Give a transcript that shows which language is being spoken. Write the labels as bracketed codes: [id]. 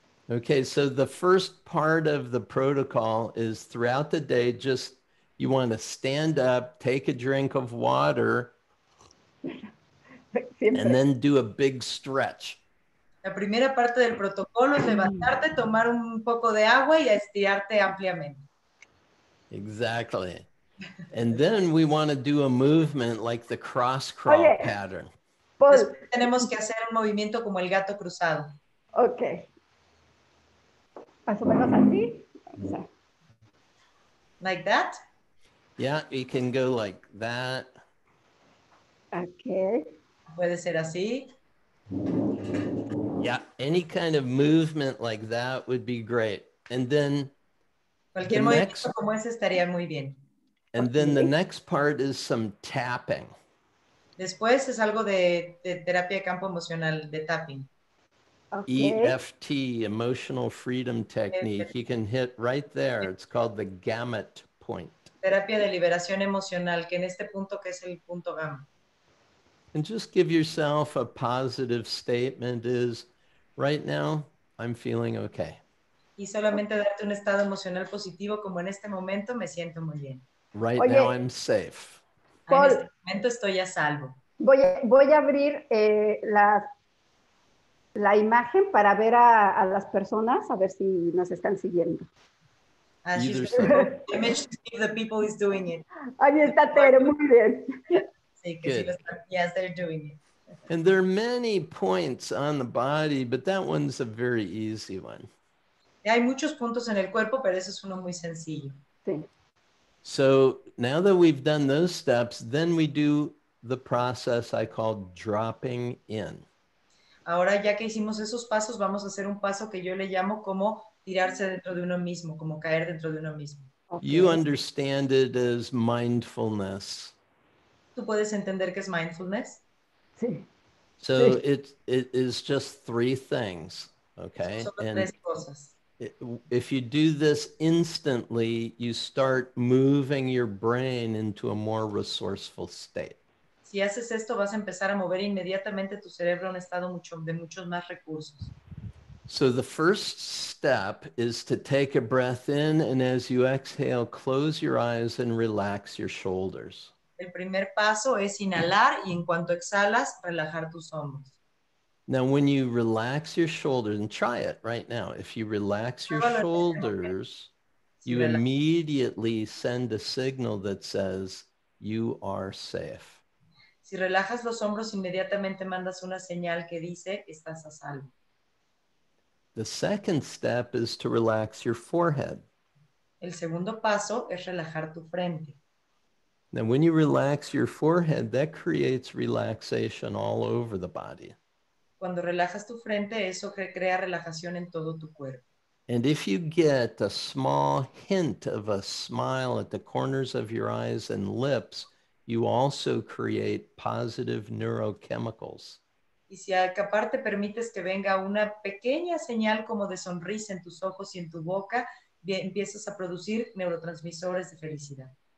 [en] Okay, so the first part of the protocol is throughout the day, just you want to stand up, take a drink of water, and then do a big stretch. [es] La primera parte del protocolo es levantarte, tomar un poco de agua y estirarte ampliamente. [en] Exactly. And then we want to do a movement like the cross crawl pattern. [es] Paul, tenemos que hacer un movimiento como el gato cruzado. Okay. Más o menos así. [en] Like that? Yeah, you can go like that. Okay. [es] Puede ser así. [en] Yeah, any kind of movement like that would be great. And then [es] Cualquier movimiento como ese estaría muy bien. [en] And then the next part is some tapping. [es] Después es algo de terapia de campo emocional, de tapping. [en] Okay. EFT, Emotional Freedom Technique. You can hit right there. It's called the gamut point. [es] Terapia de liberación emocional, que en este punto que es el punto gamma. [en] And just give yourself a positive statement is, right now, I'm feeling okay. [es] Y solamente darte un estado emocional positivo, como en este momento me siento muy bien. [en] Right. [es] Oye, [en] now I'm safe. [es] Paul, en este momento estoy a salvo. Voy a abrir la imagen para ver a las personas, a ver si nos están siguiendo. [en] Either side. The image of the people is doing it. [es] Ahí está Tere, muy bien. Sí, que sí, [en] yes, they're doing it. And there are many points on the body, but that one's a very easy one. [es] Hay muchos puntos en el cuerpo, pero ese es uno muy sencillo. Sí. [en] So now that we've done those steps, then we do the process I call dropping in. [es] Ahora ya que hicimos esos pasos, vamos a hacer un paso que yo le llamo como tirarse dentro de uno mismo, como caer dentro de uno mismo. [en] Okay. You understand it as mindfulness. [es] ¿Tú puedes entender qué es mindfulness? Sí. [en] So sí. It is just three things, okay? [es] Son tres cosas. [en] If you do this instantly, you start moving your brain into a more resourceful state. [es] Si haces esto, vas a empezar a mover inmediatamente tu cerebro a un estado de muchos más recursos. [en] So the first step is to take a breath in, and as you exhale, close your eyes and relax your shoulders. [es] El primer paso es inhalar, y en cuanto exhalas, relajar tus hombros. [en] Now, when you relax your shoulders, and try it right now, if you relax your shoulders, you immediately send a signal that says, you are safe. [es] Si relajas los hombros, inmediatamente mandas una señal que dice, estás a salvo. [en] The second step is to relax your forehead. [es] El segundo paso es relajar tu frente. [en] Now, when you relax your forehead, that creates relaxation all over the body. [es] Cuando relajas tu frente, eso crea relajación en todo tu cuerpo. [en] And if you get a small hint of a smile at the corners of your eyes and lips, you also create positive neurochemicals. [es] Y si aparte permites que venga una pequeña señal como de sonrisa en tus ojos y en tu boca, empiezas a producir neurotransmisores de felicidad.